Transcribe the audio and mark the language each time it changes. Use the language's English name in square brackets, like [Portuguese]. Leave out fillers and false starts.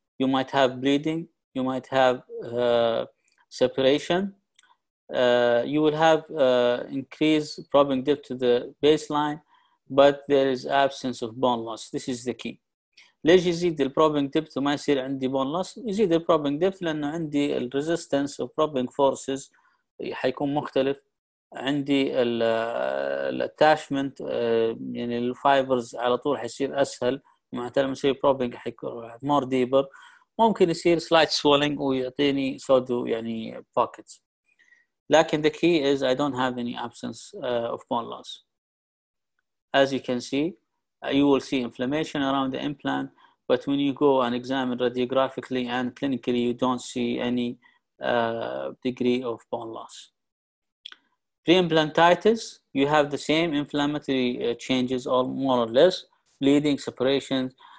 [English] You might have bleeding, you might have separation, you will have increased probing depth to the baseline, but there is absence of bone loss. This is the key. [Arabic] ليش يزيد البروبينج ديبث وما يصير عندي بون لوس؟ يزيد البروبينج ديبث لانه عندي الريزيستنس والبروبينج فورسز حيكون مختلف، عندي الاتاشمنت يعني الفايبرز على طول حيصير اسهل، معناته مسوي بروبينج حيكون مور ديبر، ممكن يصير سلايت سوولينج ويعطيني سودو يعني باكيتس، لكن [English] the key is I don't have any absence of bone loss. As you can see, you will see inflammation around the implant, but when you go and examine radiographically and clinically, you don't see any degree of bone loss. Pre-implantitis, you have the same inflammatory changes or more or less, bleeding, separations.